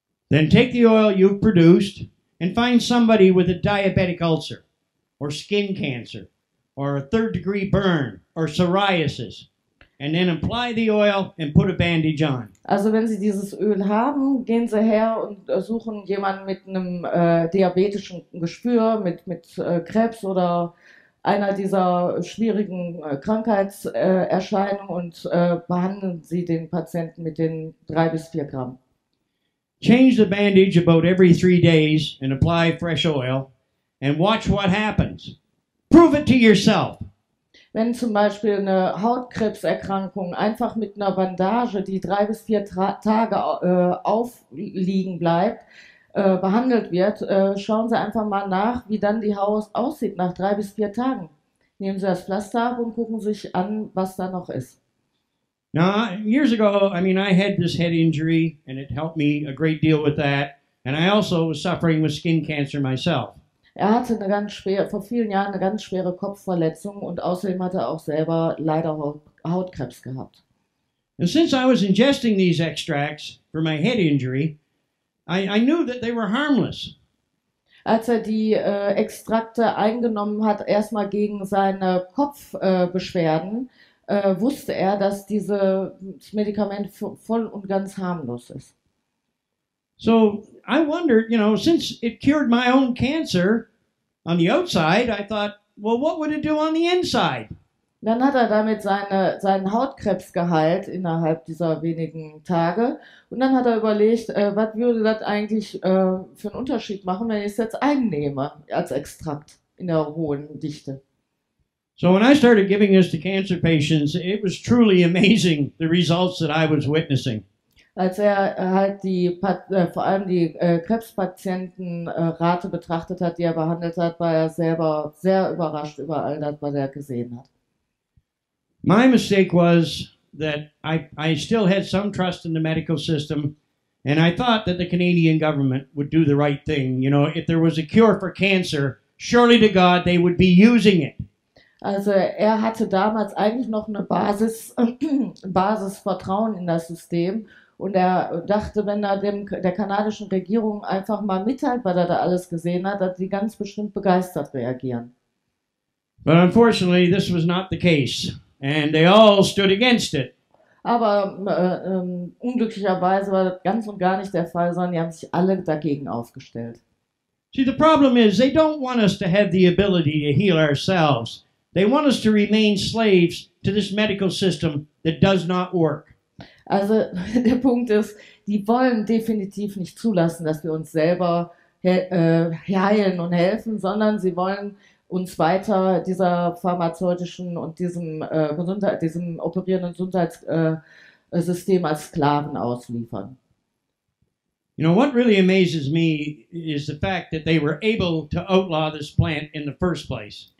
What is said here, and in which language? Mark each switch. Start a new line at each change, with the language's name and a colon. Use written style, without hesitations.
English: Then take the oil you've produced and find somebody with a diabetic ulcer or skin cancer or a third degree burn or psoriasis and then apply the oil and put a bandage on.
German: Also wenn Sie dieses Öl haben, gehen Sie her und suchen jemanden mit einem diabetischen Gespür, mit Krebs oder einer dieser schwierigen Krankheitserscheinungen und behandeln Sie den Patienten mit den 3-4 Gramm.
English: Change the bandage about every 3 days and apply fresh oil and watch what happens. Prove it to yourself.
German: Wenn zum Beispiel eine Hautkrebserkrankung einfach mit einer Bandage, die 3-4 Tage aufliegen bleibt, behandelt wird, schauen Sie einfach mal nach, wie dann die Haut aussieht nach 3-4 Tagen. Nehmen Sie das Pflaster ab und gucken sich an, was da noch ist.
English: Now, years ago, I mean, I had this head injury, and it helped me a great deal with that. And I also was suffering with skin cancer myself.
German: Er hatte eine ganz schwere, vor vielen Jahren eine ganz schwere Kopfverletzung, und außerdem hatte er auch selber leider Hautkrebs gehabt.
English: And since I was ingesting these extracts for my head injury, I knew that they were harmless.
German: als er die Extrakte eingenommen hat, erstmal gegen seine Kopfbeschwerden, wusste er, dass dieses Medikament voll und ganz harmlos ist.
English: So, I wondered, you know, since it cured my own cancer on the outside, I thought, well, what would it do on the inside?
German: Dann hat er damit seinen Hautkrebs geheilt innerhalb dieser wenigen Tage. Und dann hat er überlegt, was würde das eigentlich für einen Unterschied machen, wenn ich es jetzt einnehme als Extrakt in der hohen Dichte.
English: So when I started giving this to cancer patients, it was truly amazing, the results that I was witnessing.
German: Als er halt die vor allem die Krebspatientenrate betrachtet hat, die er behandelt hat, war er selber sehr überrascht über all das, was er gesehen hat.
English: My mistake was that I still had some trust in the medical system, and I thought that the Canadian government would do the right thing. You know, if there was a cure for cancer, surely to God they would be using it.
German: Also er hatte damals eigentlich noch eine Basisvertrauen in das System. Und er dachte, wenn er der kanadischen Regierung einfach mal mitteilt, was er da alles gesehen hat, dass sie ganz bestimmt begeistert reagieren.
English: But unfortunately, this was not the case, and they all stood against it.
German: Aber unglücklicherweise war das ganz und gar nicht der Fall, sondern die haben sich alle dagegen aufgestellt.
English: See, the problem is, they don't want us to have the ability to heal ourselves. They want us to remain slaves to this medical system that does not work.
German: Also der Punkt ist, die wollen definitiv nicht zulassen, dass wir uns selber heilen und helfen, sondern sie wollen uns weiter dieser pharmazeutischen und diesem operierenden Gesundheitssystem als Sklaven ausliefern.
English: You know, what really amazes me is the fact that they were able to outlaw this plant in the first place.